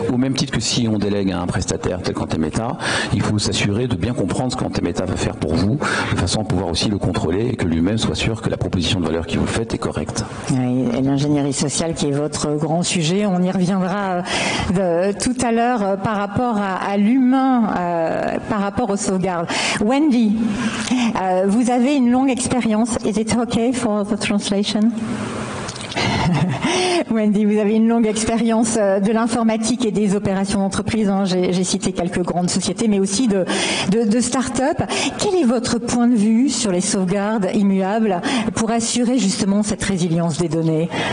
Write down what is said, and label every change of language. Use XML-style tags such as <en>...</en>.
<fr>Au même titre que si on délègue à un prestataire tel qu'Antemeta, il faut s'assurer de bien comprendre ce qu'Antemeta va faire pour vous, de façon à pouvoir aussi le contrôler et que lui-même soit sûr que la proposition de valeur qu'il vous fait est correcte. Et l'ingénierie sociale qui est votre grand sujet, on y reviendra tout à l'heure par rapport à l'humain, par rapport aux sauvegardes. Wendy, vous avez une longue expérience.</fr> <en>Is it okay for the translation?</en> <fr>Wendy, vous avez une longue expérience de l'informatique et des opérations d'entreprise. J'ai cité quelques grandes sociétés, mais aussi de start-up. Quel est votre point de vue sur les sauvegardes immuables pour assurer justement cette résilience des données?</fr>